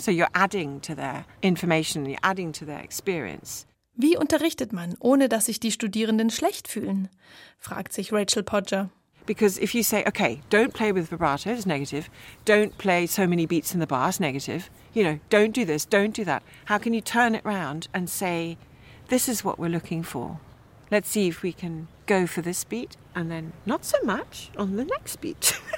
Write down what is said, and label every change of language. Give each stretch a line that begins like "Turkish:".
English: So you're adding to their information, you're adding to their experience.
German: Wie unterrichtet man, ohne dass sich die Studierenden schlecht fühlen? Fragt sich Rachel Podger.
English: Because if you say, okay, don't play with vibrato, it's negative. Don't play so many beats in the bar, it's negative. You know, don't do this, don't do that. How can you turn it around and say, this is what we're looking for. Let's see if we can go for this beat and then not so much on the next beat.